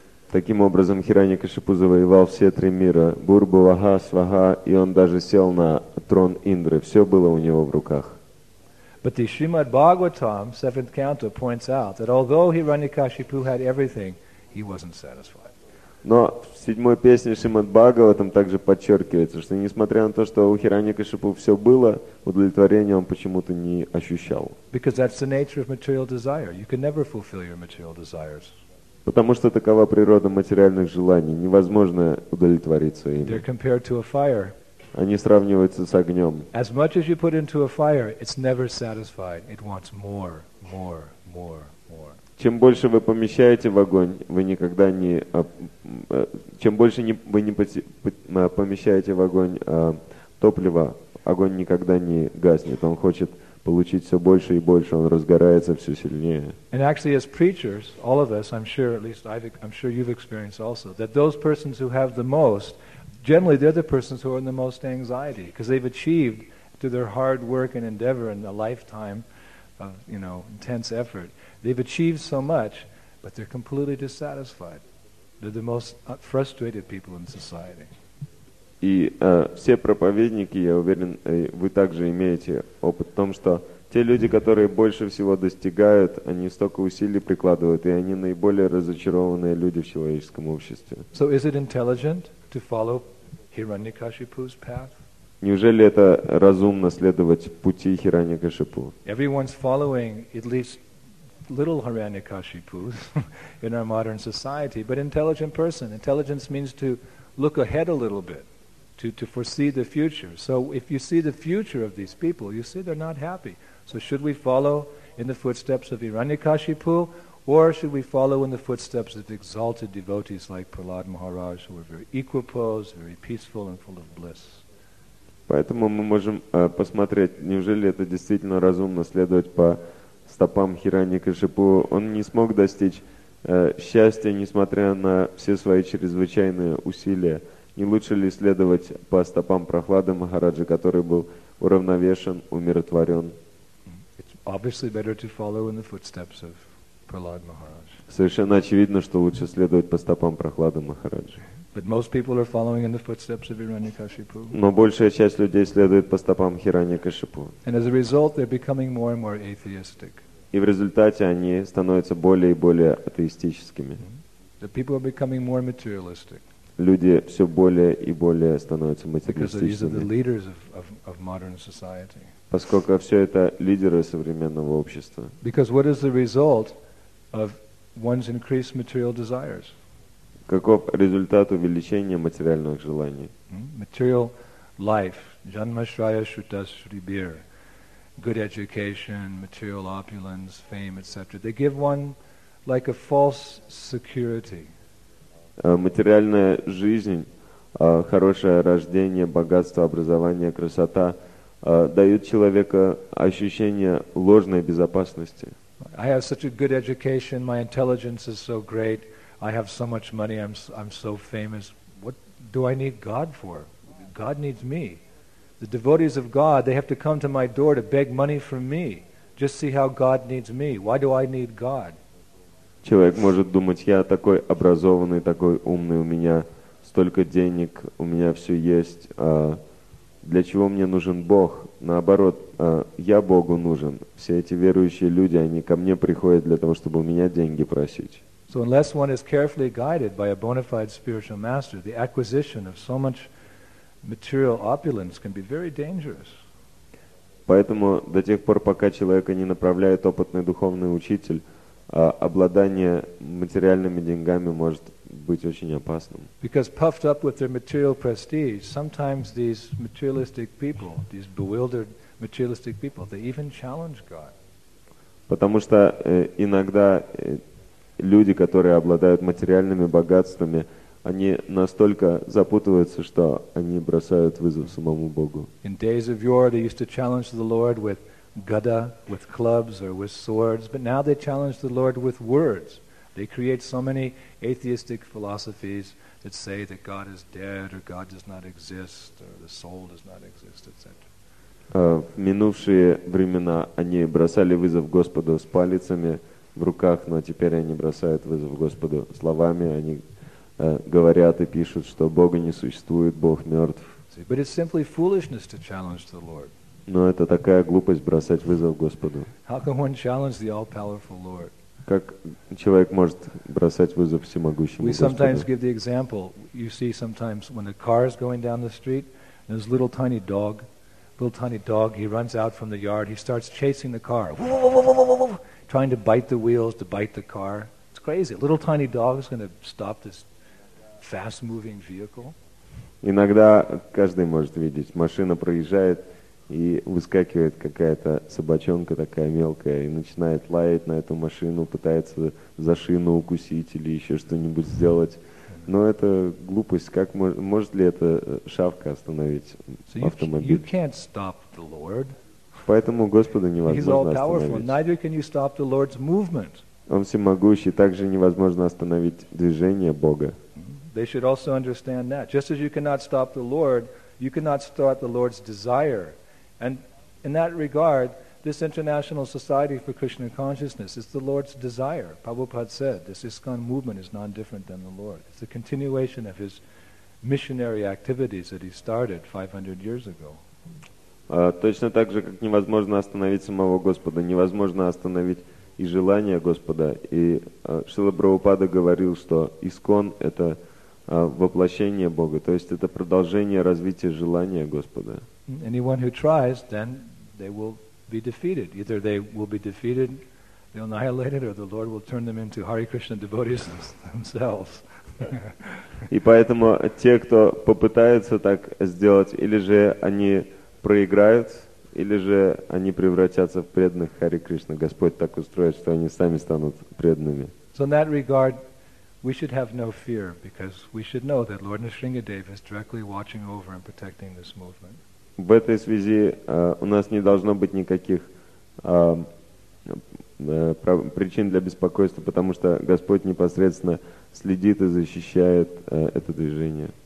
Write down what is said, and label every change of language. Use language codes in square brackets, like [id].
[ru] Таким образом, Хираньякашипу завоевал все три мира: Бур, Бхуваха, Сваха, и он даже сел на трон Индры. Все было у него в руках. [en] But the Srimad Bhagavatam, seventh canto, points out that although Hiranyakashipu had everything, he wasn't satisfied. [ru] Но в седьмой песне Шримад Бхагаватам также подчеркивается, что несмотря на то, что у Хираньякашипу все было, удовлетворения он почему-то не ощущал. [en] Because that's the nature of material desire. You can never fulfill your material desires. [ru] Потому что такова природа материальных желаний. Невозможно удовлетвориться ими. [en] They're compared to a fire. [ru] Они сравниваются с огнем. [en] As much as you put into a fire, it's never satisfied. It wants more, more, more. [ru] Чем больше вы помещаете в огонь, вы никогда не... Чем больше вы не помещаете в огонь топливо, огонь никогда не гаснет. Он хочет получить все больше и больше. Он разгорается все сильнее. [en] And actually, as preachers, all of us, I'm sure, at least I'm sure you've experienced also, that those persons who have the most, generally, they're the persons who are in the most anxiety, because they've achieved through their hard work and endeavor in a lifetime of, you know, intense effort. They've achieved so much, but they're completely dissatisfied. They're the most frustrated people in society. [ru] И все проповедники, я уверен, вы также имеете опыт в том, что те люди, которые больше всего достигают, они столько усилий прикладывают, и они наиболее разочарованные люди в человеческом обществе. [en] So is it intelligent to follow Hiranyakashipu's path? [ru] Неужели это разумно следовать пути Хираньякашипу? [en] Everyone's following at least little Hiranyakashipus in our modern society, but intelligent person. Intelligence means to look ahead a little bit, to foresee the future. So if you see the future of these people, you see they're not happy. So should we follow in the footsteps of Hiranyakashipu, or should we follow in the footsteps of exalted devotees like Prahlad Maharaj, who are very equipoised, very peaceful and full of bliss? [ru] Поэтому мы можем посмотреть, неужели это действительно разумно следовать по стопам Хираньякашипу. Он не смог достичь счастья, несмотря на все свои чрезвычайные усилия. Не лучше ли следовать по стопам Прохлады Махараджи, который был уравновешен, умиротворен? [en] It's obviously better to follow in the footsteps of Prahlad Maharaj. [ru] Совершенно очевидно, что лучше следовать по стопам Прохлады Махараджи. [en] But most people are following in the footsteps of Hiranyakashipu. [ru] Но большая часть людей следует по стопам Хираньякашипу. [en] And as a result, they're becoming more and more atheistic. [ru] И в результате они становятся более и более атеистическими. [en] The people are becoming more materialistic. [ru] Люди все более и более становятся материалистичными. [en] Because these are the leaders of modern society. [ru] Поскольку все это лидеры современного общества. [en] Because what is the result of one's increased material desires? [ru] Каков результат увеличения материальных желаний? [en] Material life, [sa] janma shraya shruta shribir, [en] good education, material opulence, fame, etc. They give one like a false security. [ru] Материальная жизнь, хорошее рождение, богатство, образование, красота дают человеку ощущение ложной безопасности. [en] I have such a good education, my intelligence is so great. I have so much money, I'm so famous. What do I need God for? God needs me. The devotees of God, they have to come to my door to beg money from me. Just see how God needs me. Why do I need God? [ru] Человек может думать: я такой образованный, такой умный, у меня столько денег, у меня все есть. Для чего мне нужен Бог? Наоборот, я Богу нужен. Все эти верующие люди, они ко мне приходят для того, чтобы у меня деньги просить. [en] So unless one is carefully guided by a bona fide spiritual master, the acquisition of so much material opulence can be very dangerous. [ru] Поэтому до тех пор, пока человека не направляет опытный духовный учитель, обладание материальными деньгами может быть очень опасным. [en] Because puffed up with their material prestige, sometimes these materialistic people, these bewildered materialistic people, they even challenge God. [ru] Потому что иногда люди, которые обладают материальными богатствами, они настолько запутываются, что они бросают вызов самому Богу. [en] In days of yore, they used to challenge the Lord with gada, with clubs or with swords, but now they challenge the Lord with words. They create so many atheistic philosophies that say that God is dead or God does not exist or the soul does not exist, etc. [ru] В минувшие времена они бросали вызов Господу с палицами в руках, но теперь они бросают вызов Господу словами. Они говорят и пишут, что Бога не существует, Бог мертв. [en] But it's simply foolishness to challenge the Lord. [ru] Но это такая глупость бросать вызов Господу. [en] How can one challenge the all-powerful Lord? [ru] Как человек может бросать вызов всемогущему [en] We We sometimes give the example. You see sometimes when a car is going down the street, there's a little tiny dog. Little tiny dog, he runs out from the yard, he starts chasing the car, trying to bite the wheels, to bite the car. It's crazy. A little tiny dog is going to stop this fast-moving vehicle. [ru] Иногда каждый может видеть, машина проезжает, и выскакивает какая-то собачонка такая мелкая, и начинает лаять на эту машину, пытается за шину укусить или еще что-нибудь сделать. Но это глупость. Как может ли эта шавка остановить автомобиль? [en] You can't stop the Lord. [ru] Поэтому Господа невозможно [en] He's all-powerful. [ru] Остановить. [en] Neither can you stop the Lord's movement. [ru] Он всемогущий. Также невозможно остановить движение Бога. [en] They should also understand that. Just as you cannot stop the Lord, you cannot stop the Lord's desire. And in that regard, this International Society for Krishna Consciousness is the Lord's desire. Prabhupada said, this ISKCON movement is none different than the Lord. It's a continuation of his missionary activities that he started 500 years ago. [ru] Точно так же, как невозможно остановить самого Господа, невозможно остановить и желание Господа. И Шрила Прабхупада говорил, что ИСККОН – это воплощение Бога, то есть это продолжение развития желания Господа. [en] Anyone who tries, then they will be defeated. Either they will be defeated, they'll be annihilated, or the Lord will turn them into Hare Krishna devotees themselves. [ru] И поэтому те, кто попытается так сделать, или же они проиграют, или же они превратятся в преданных Hare Krishna. Господь так устроит, что они сами станут преданными. [en] So in that regard, we should have no fear, because we should know that Lord Nrisimhadev is directly watching over and protecting this movement. [ru] В этой связи у нас не должно быть никаких причин для беспокойства, потому что Господь непосредственно следит и защищает это движение.